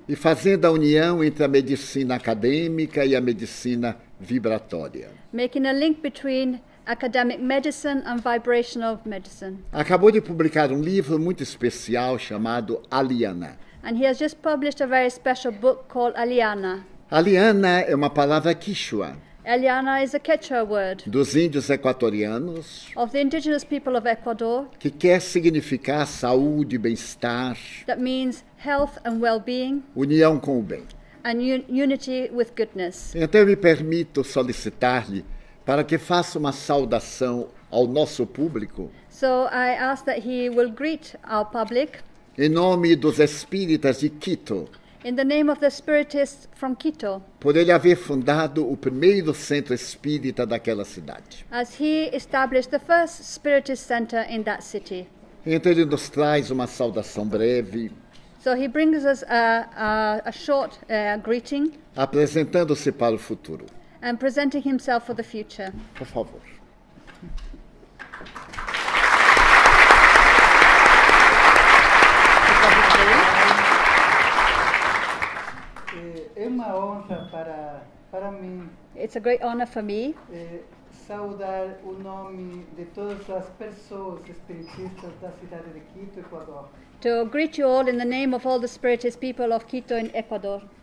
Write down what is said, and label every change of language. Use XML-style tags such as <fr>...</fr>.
<pt>E fazendo a união entre a medicina acadêmica e a medicina vibratória.</pt> <en>Making a link between academic medicine and vibrational medicine.</en> <pt>Acabou de publicar livro muito especial chamado Aliana.</pt> <en>And he has just published a very special book called Aliana.</en> <pt>Aliana é uma palavra quichua.</pt> <en>Aliana is a Quechua word.</en> <pt>Dos índios equatorianos.</pt> <en>Of the indigenous people of Ecuador.</en> <pt>Que quer significar saúde, bem-estar.</pt> <en>That means health and well-being.</en> <pt>União com o bem.</pt> <en>And unity with goodness.</en> <pt>Então me permito solicitar-lhe para que faça uma saudação ao nosso público.</pt> <en>So I ask that he will greet our public.</en> <pt>Em nome dos espíritas de Quito.</pt> <en>In the name of the spiritists from Quito.</en> <pt>Por ele haver fundado o primeiro centro espírita daquela cidade.</pt> <en>As he established the first spiritist center in that city.</en> <pt>Então ele nos traz uma saudação breve.</pt> <en>So he brings us a short greeting.</en> <pt>Apresentando-se para o futuro.</pt> <en>And presenting himself for the future.</en> <pt>Por favor. É uma honra para mim.</pt> <en>It's a great honor for me.</en> <pt>Saudar o nome de todas as pessoas espiritistas da cidade de Quito, Ecuador.</pt> <en>To greet you all in the name of all the spiritist people of Quito in Ecuador.</en>